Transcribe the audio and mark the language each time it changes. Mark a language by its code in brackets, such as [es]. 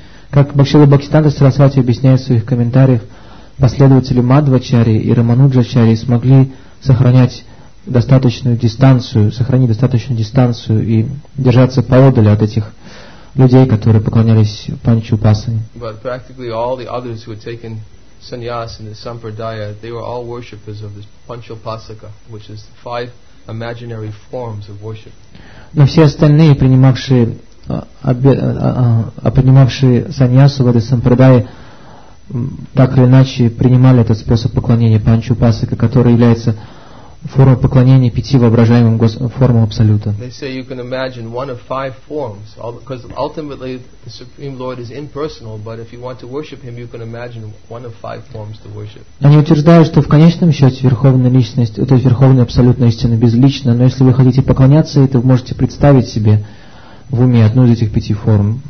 [ru] Как Бхакшила Бхактисиддханта Сарасвати объясняет в своих комментариях, последователи Мадвачари и Рамануджачари смогли сохранить достаточную дистанцию и держаться поодаль от этих людей, которые поклонялись Панчопасане. [en] But practically all the others who had taken sannyas in the sampradaya, they were all worshippers of this Панчопасака, which is the five imaginary forms of worship. [ru] Но все остальные, принимавшие саньясу в этой сампрадае, так или иначе принимали этот способ поклонения Панчопасака, который является формой поклонения пяти воображаемым формам Абсолюта. [en] They say you can imagine one of five forms, because ultimately the Supreme Lord is impersonal, but if you want to worship him, you can imagine one of five forms to worship. [ru] Они утверждают, что в конечном счете Верховная Личность, то есть Верховная Абсолютная Истина безлична, но если вы хотите поклоняться ей, то можете представить себе в уме одну из этих пяти форм.